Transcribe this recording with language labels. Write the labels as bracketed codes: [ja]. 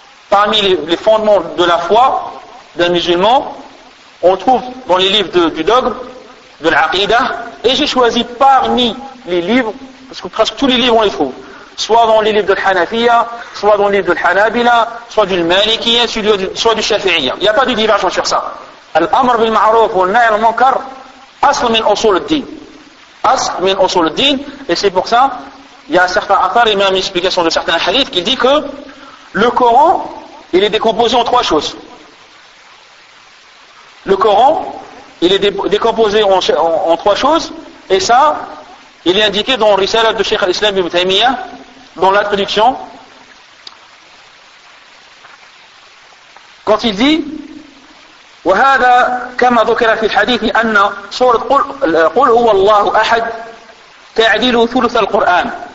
[fr] parmi les fondements de la foi d'un musulman, on trouve dans les livres du dogme, de l'aqidah, et j'ai choisi parmi les livres, parce que presque tous les livres on les trouve, soit dans les livres de l'Hanafiya, soit dans les livres de l'Hanabila, soit du Malikiya, soit du Shafi'iya. Il n'y a pas de divergence sur ça. [ar] الأمر بالمعروف والنهي عن المنكر أصل من أصول الدين. أصل من أصول الدين. [fr] Et c'est pour ça, il y a certains auteurs, il y a une explication de certains hadiths qui dit que le Coran, il est décomposé en trois choses. Le Coran, il est décomposé en trois choses, et ça, il est indiqué dans le Risala de Cheikh al-Islam ibn Taymiyyah, dans l'introduction, quand il dit [ar] وهذا كما ذكر في الحديث أن سورة قل هو الله أحد تعديل ثلث القرآن.